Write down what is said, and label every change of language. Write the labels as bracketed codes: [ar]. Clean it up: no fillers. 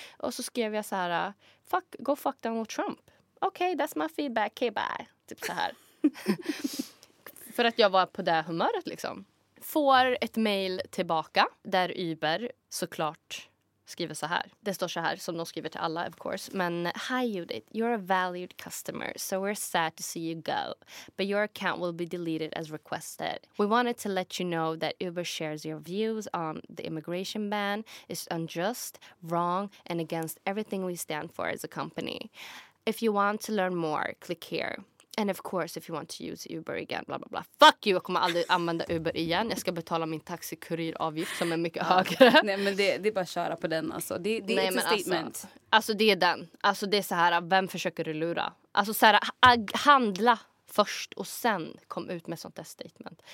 [sv] Och så skrev jag så här, [en] go fuck Donald Trump. [sv] Okej, [en] okay, that's my feedback, okay, bye. [sv] Typ så här. För att jag var på det humöret liksom. Får ett mail tillbaka där Uber såklart... skriver så här. Det står så här, som de skriver till alla, [en] of course. Men, hi Judith, you're a valued customer, so we're sad to see you go. But your account will be deleted as requested. We wanted to let you know that Uber shares your views on the immigration ban. It's unjust, wrong, and against everything we stand for as a company. If you want to learn more, click here. And of course, if you want to use Uber again, blah, blah, blah. Fuck you, [sv] jag kommer aldrig använda Uber igen. Jag ska betala min taxikurir-avgift som är mycket högre. Nej, men det är bara att köra på den, alltså. Det är ett statement. Alltså, det är den. Alltså, det är så här, vem försöker du lura? Alltså, så här, handla först och sen kom ut med sånt där statement.